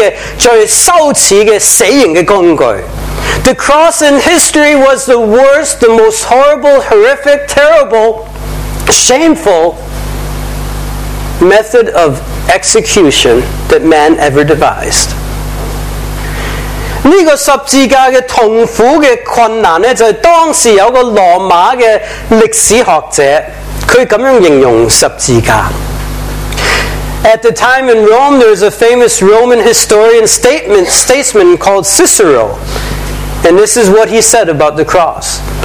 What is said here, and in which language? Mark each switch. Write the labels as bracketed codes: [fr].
[zh] 十字架就是历史里面人类历史的最残酷、最残忍的、最羞耻的死刑的工具。 [en] The cross in history was the worst, the most horrible, horrific, terrible, shameful method of execution that man ever devised. [zh] 这个十字架的痛苦的困难，就是当时有个罗马的历史学者，他这样形容十字架。 [en] At the time in Rome, there was a famous Roman historian statesman called Cicero. And this is what he said about the cross.